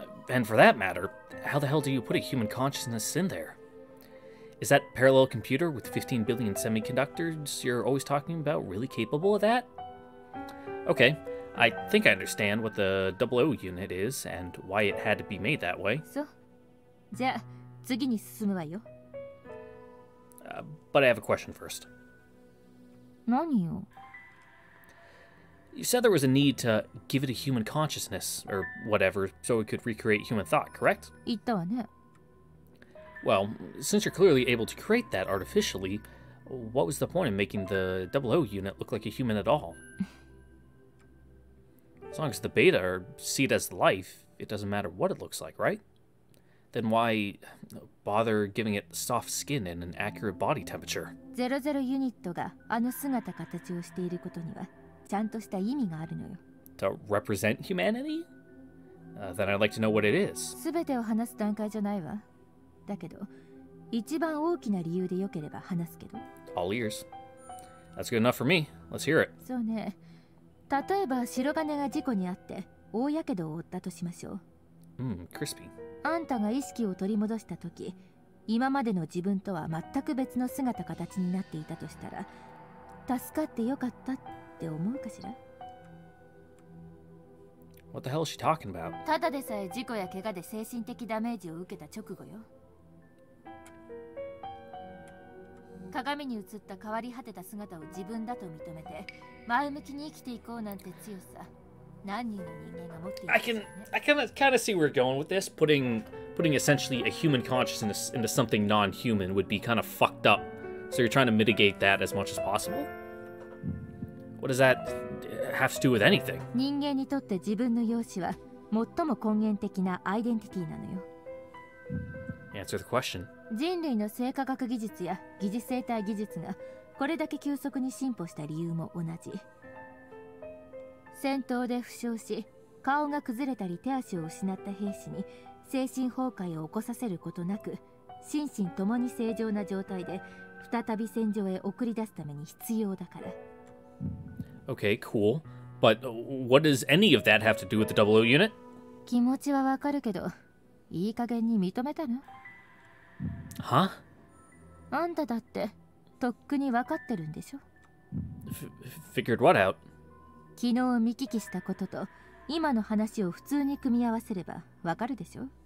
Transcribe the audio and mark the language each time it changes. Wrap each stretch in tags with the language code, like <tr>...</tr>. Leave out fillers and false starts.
<en>And for that matter, how the hell do you put a human consciousness in there? Is that parallel computer with 15 billion semiconductors you're always talking about really capable of that? Okay, I think I understand what the 00 unit is and why it had to be made that way.</en> <ja>So, じゃあ次に進むわよ。</ja> <en>But I have a question first.</en> <ja>何よ?</ja> <en>You said there was a need to give it a human consciousness or whatever so it could recreate human thought, correct?</en> <ja>言ったわね。</ja> <en>Well, since you're clearly able to create that artificially, what was the point of making the 00 unit look like a human at all? As long as the beta are seen as life, it doesn't matter what it looks like, right? Then why bother giving it soft skin and an accurate body temperature?</en> <ja>00 unit があの姿形をしていることにはちゃんとした意味があるのよ。</ja> <en>To represent humanity? Then I'd like to know what it is.</en> <ja>全てを話す段階じゃないわ。だけど、一番大きな理由でよければ話すけど。</ja> <en>All ears. That's good enough for me. Let's hear it.</en> <ja>そうね。例えば、白金が事故にあって、大やけどを負ったとしましょう。</ja> <en>Crispy.</en> <ja>あんたが意識を取り戻したとき、今までの自分とは全く別の姿形になっていたとしたら、助かってよかったって思うかしら？</ja> <en>What the hell is she talking about?</en> <ja>ただでさえ事故や怪我で精神的ダメージを受けた直後よ。鏡に映った変わり果てた姿を自分だと認めて前向きに生きていこうなんて強さ何人の人間が持っているんですよね。</ja> <en>I kind of see where you're going with this. Putting essentially a human consciousness into something non-human would be kind of fucked up. So you're trying to mitigate that as much as possible? What does that have to do with anything?</en> <ja>人間にとって自分の容姿は最も根源的なアイデンティティなのよ。</ja> <en>Answer the question.</en> <ja>人類の生化学技術や疑似生体技術がこれだけ急速に進歩した理由も同じ。戦闘で負傷し顔が崩れたり手足を失った兵士に精神崩壊を起こさせることなく心身ともに正常な状態で再び戦場へ送り出すために必要だから。</ja> <en>Okay, cool. But what does any of that have to do with the 00 unit?</en> <ja>気持ちはわかるけどいい加減に認めたの？ Huh? あんただってとっくに分かってるんでしょ。</ja> <en>Figured what out?</en> <ja>昨日見聞きしたことと今の話を普通に組み合わせればわかるでしょ。</ja>